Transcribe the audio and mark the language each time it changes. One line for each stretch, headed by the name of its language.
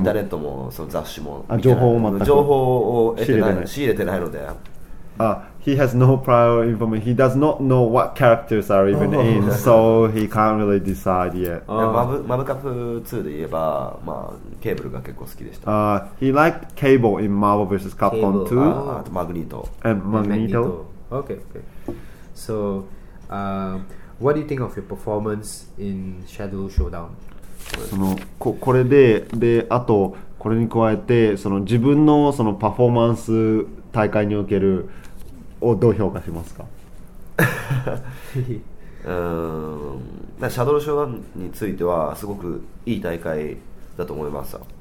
Japanese: インターネットもその雑誌も情報を得てない、仕入れてないので。
English: He has no prior information. He does not know what characters are even in, so he can't really decide yet.
Japanese: マブカプ2で言えば、まあ、ケーブルが結構好きでした。
English: He liked Cable in Marvel vs. Capcom 2.
Japanese: あとマグニート。マグニート。
English: Okay. So, what do you think of your performance in Shadow Showdown?
Japanese: これで、あとこれに加えて、その自分のそのパフォーマンス大会におけるをどう評価しますか？シャドウショーダウンについてはすごくいい大会だと思いますよ。